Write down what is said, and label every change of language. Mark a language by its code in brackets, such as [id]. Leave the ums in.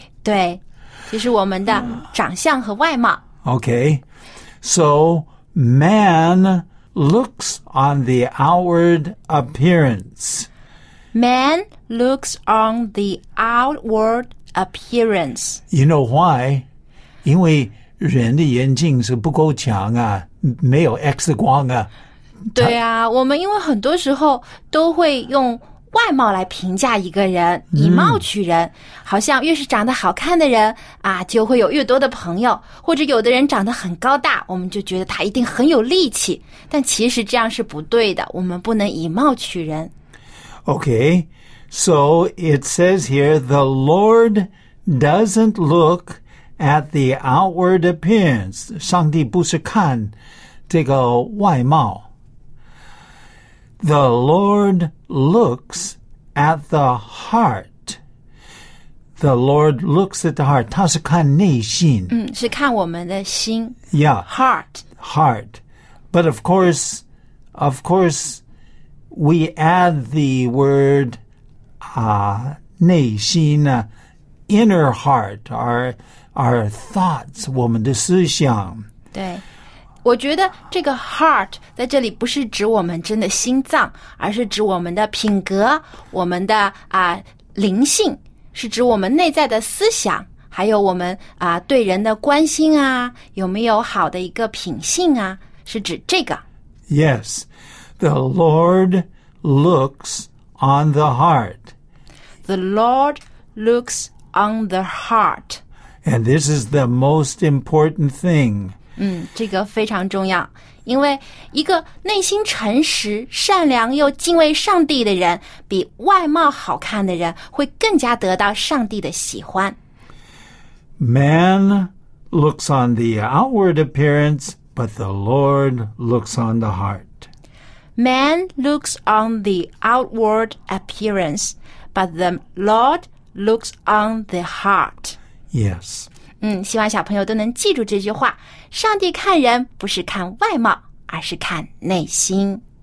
[zh] 对, uh, [en] okay. so man looks on the outward appearance. Man looks on the outward appearance. You know why? why？ [zh] 因为人的眼睛是不够强啊，没有 X 光啊。对啊，我们因为很多时候都会用。外貌来评价一个人，以貌取人，mm. 好像越是长得好看的人啊，就会有越多的朋友；或者有的人长得很高大，我们就觉得他一定很有力气。但其实这样是不对的，我们不能以貌取人。 [en] Okay, so it says here the Lord doesn't look at the outward appearance. [zh] 上帝不是看这个外貌。 [en] The Lord looks at the heart. The Lord looks at the heart. [zh] 他是看内心。嗯,是看我们的心。 [en] yeah. Heart. Heart. But of course, of course, we add the word, uh, [zh] 内心, [en] uh, inner heart, our, our thoughts, [zh] 我们的思想。对。我觉得这个 heart 在这里不是指我们真的心脏，而是指我们的品格、我们的啊、呃、灵性，是指我们内在的思想，还有我们啊、呃、对人的关心啊，有没有好的一个品性啊，是指这个。 [en] Yes, uh, uh, the Lord looks on the heart. The Lord looks on the heart. And this is the most important thing. [zh] 嗯，这个非常重要，因为一个内心诚实、善良又敬畏上帝的人，比外貌好看的人会更加得到上帝的喜欢。 [en] Man looks on the outward appearance, but the Lord looks on the heart. Man looks on the outward appearance, but the Lord looks on the heart. Yes. [zh] 嗯，希望小朋友都能记住这句话：上帝看人不是看外貌，而是看内心。